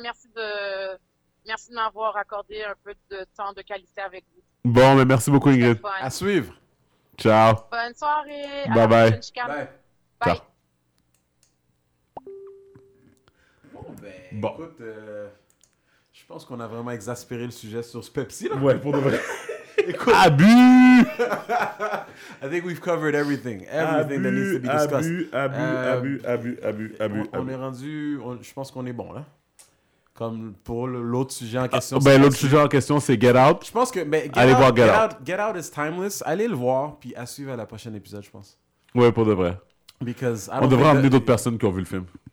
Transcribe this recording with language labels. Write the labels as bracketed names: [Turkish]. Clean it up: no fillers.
[French] Merci de m'avoir accordé un peu de temps de qualité avec vous. Bon, mais merci beaucoup, Ingrid. À suivre. Ciao. Bonne soirée. [English] Bye bye. Bye. [French] Ciao. Bon. Écoute, je pense qu'on a vraiment exaspéré le sujet sur ce Pepsi là. Ouais, pour de vrai. Écoute, abus. [English] I think we've covered everything that needs to be discussed. [French] Abus. On est rendu, je pense qu'on est bon là. Comme pour l'autre sujet en question. Sujet en question, c'est Get Out. Je pense que Get Out [English] is timeless. [French] Allez le voir puis à suivre à la prochaine épisode, je pense. Ouais, pour de vrai. [English] Because [French] on devrait amener d'autres personnes qui ont vu le film.